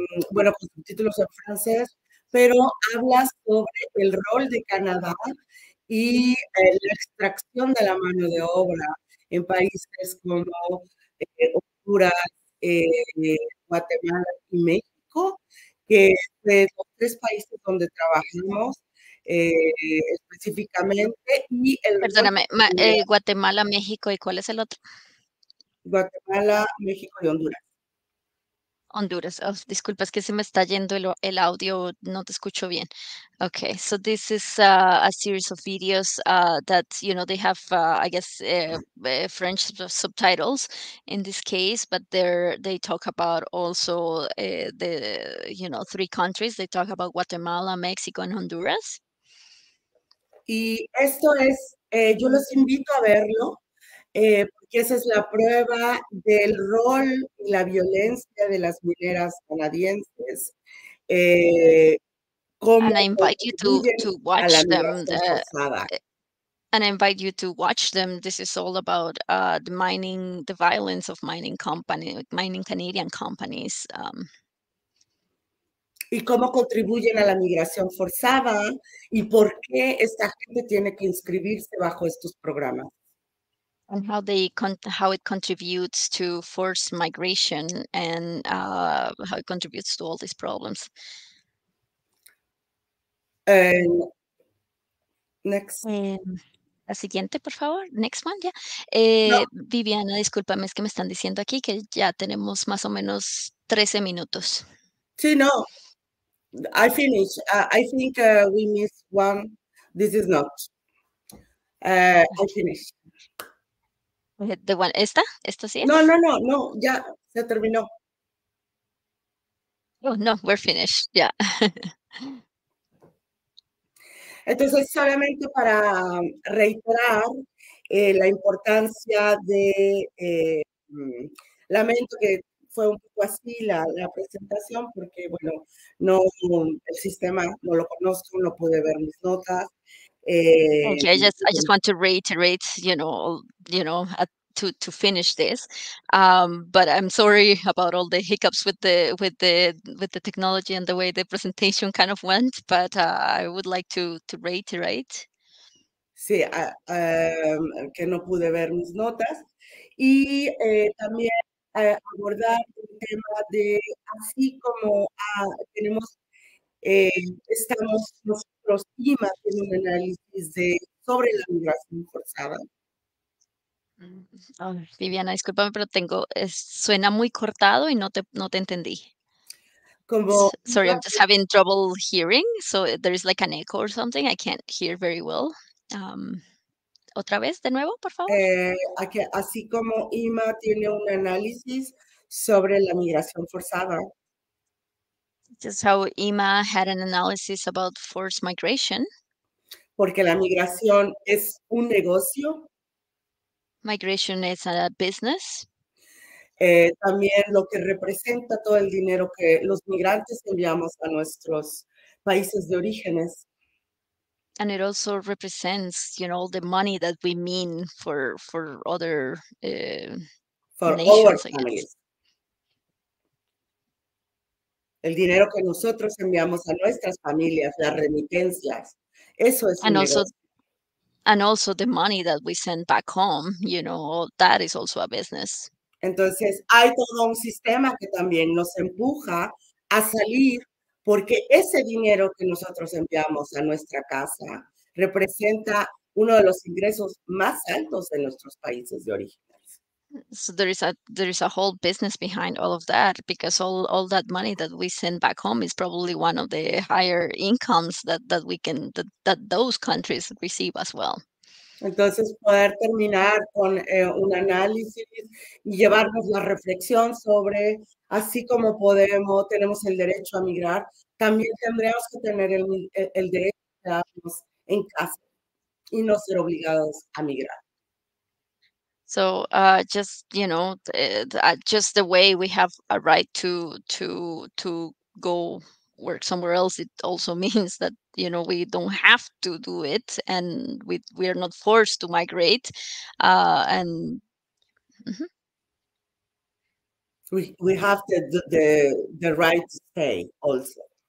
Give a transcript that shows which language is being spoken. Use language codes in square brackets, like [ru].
[es] Bueno, con subtítulos en francés, pero habla sobre el rol de Canadá y la extracción de la mano de obra en países como Honduras, Guatemala y México, que de los 3 países donde trabajamos específicamente. Y el perdóname, Guatemala, México, ¿y cuál es el otro? Guatemala, México y Honduras. Honduras, oh, disculpa, es que se me está yendo el audio, no te escucho bien. [en] Okay, so this is a series of videos that, you know, they have, I guess, French subtitles in this case, but they talk about also the, you know, 3 countries. They talk about Guatemala, Mexico, and Honduras. [es] Y esto es, yo los invito a verlo. Porque esa es la prueba del rol y la violencia de las mineras canadienses. [en] And I invite you to watch them. And I invite you to watch them. This is all about the mining, the violence of mining company, mining Canadian companies. [es] Y cómo contribuyen a la migración forzada y por qué esta gente tiene que inscribirse bajo estos programas. [en] And how they how it contributes to forced migration and how it contributes to all these problems. Next. [es] La siguiente, por favor. [en] Next one, [es] ya. No. Viviana, discúlpame, es que me están diciendo aquí que ya tenemos más o menos 13 minutos. Sí, no. [en] I finish. I think we missed one. This is not. I finish. The one, [es] ¿esta? ¿Esta sí? No, ya se terminó. [en] Oh, no, we're finished, yeah. [es] Entonces, solamente para reiterar la importancia de, lamento que fue un poco así la presentación, porque, bueno, no, el sistema no lo conozco, no pude ver mis notas. [en] Okay, I just want to reiterate, you know, to finish this, but I'm sorry about all the hiccups with the technology and the way the presentation kind of went. But I would like to reiterate. [es] Sí, que no pude ver mis notas y también abordar el tema de así como tenemos. Estamos nosotros y más en un análisis de sobre la migración forzada. Oh, Viviana, discúlpame, pero tengo suena muy cortado y no te entendí. Como, [en] sorry, I'm just having trouble hearing, so there is like an echo or something. I can't hear very well. [es] Otra vez, de nuevo, por favor. Así como Ima tiene un análisis sobre la migración forzada. [en] Just how Ima had an analysis about forced migration. [es] Porque la migración es un negocio. [en] Migration is a business. [es] También lo que representa todo el dinero que los migrantes enviamos a nuestros países de orígenes. [en] And it also represents, you know, the money that we mean for other for nations, our I guess. Families. [es] El dinero que nosotros enviamos a nuestras familias, las remitencias, eso es un negocio. [en] And also the money that we send back home, you know, that is also a business. [es] Entonces, hay todo un sistema que también nos empuja a salir porque ese dinero que nosotros enviamos a nuestra casa representa uno de los ingresos más altos de nuestros países de origen. [en] So there is a whole business behind all of that, because all that money that we send back home is probably one of the higher incomes that those countries receive as well. [es] Entonces, poder terminar con un análisis y llevarnos la reflexión sobre así como tenemos el derecho a migrar, también tendríamos que tener el derecho a quedarnos en casa y no ser obligados a migrar. [en] So just the way we have a right to go work somewhere else, it also means that, you know, we don't have to do it, and we are not forced to migrate. We have the right to stay also.